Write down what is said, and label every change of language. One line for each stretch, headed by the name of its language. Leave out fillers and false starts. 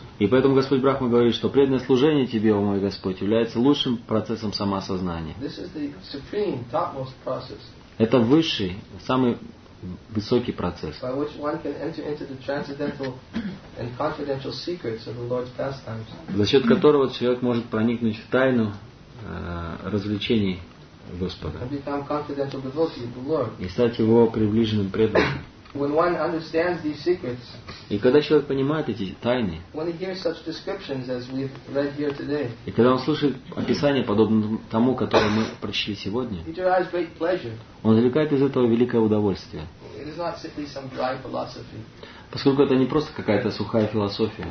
Russian: Поэтому Господь Брахма говорит, что преданное служение Тебе, о мой Господь, является лучшим процессом самоосознания.
English: This is the supreme, topmost process.
Russian: Это высший, самый высокий процесс,
English: by which one can enter into the transcendental and confidential secrets of the Lord's pastimes.
Russian: За счет которого человек может проникнуть в тайну развлечений Господа.
English: And become confidential devotee of the Lord.
Russian: И стать Его приближенным преданным.
English: When one understands these secrets,
Russian: и когда человек понимает эти тайны,
English: when he hears such descriptions as we've read here today,
Russian: и когда он слушает описание, подобное тому, которое мы прочли сегодня,
English: he derives great pleasure.
Russian: Он извлекает из этого великое удовольствие.
English: It is not simply some dry philosophy.
Russian: Поскольку это не просто какая-то сухая философия.